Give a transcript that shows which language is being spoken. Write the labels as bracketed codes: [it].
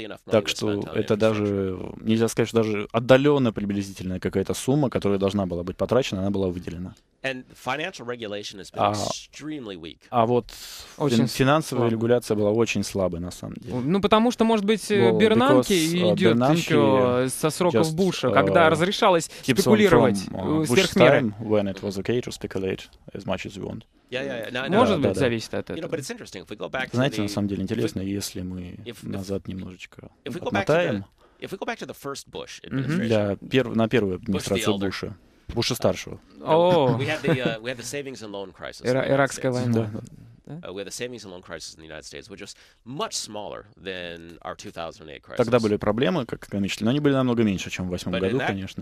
[ru] Так что это даже, нельзя сказать, что даже отдаленно приблизительная какая-то сумма, которая должна была быть потрачена, она была выделена. Финансовая регуляция была очень слабой, на самом деле. Ну, потому что, может быть, Бернанке идет еще со сроков Буша, когда разрешалось спекулировать сверх меры. [en] When it was okay to speculate as much as you want. [ru] Может быть, зависит от этого. Знаете, на самом деле, интересно, если мы назад немножечко отмотаем. [en] If we go back to the first Bush administration, [ru] на первую администрацию Буша, Буша старшего. [en] We had the savings and loan crisis. [ru] Иракская война. Да. [en] We had the savings and loan crisis in the United States, which was much smaller than our 2008 crisis. [ru] Тогда были проблемы, как экономические, но они были намного меньше, чем в 2008 году, конечно.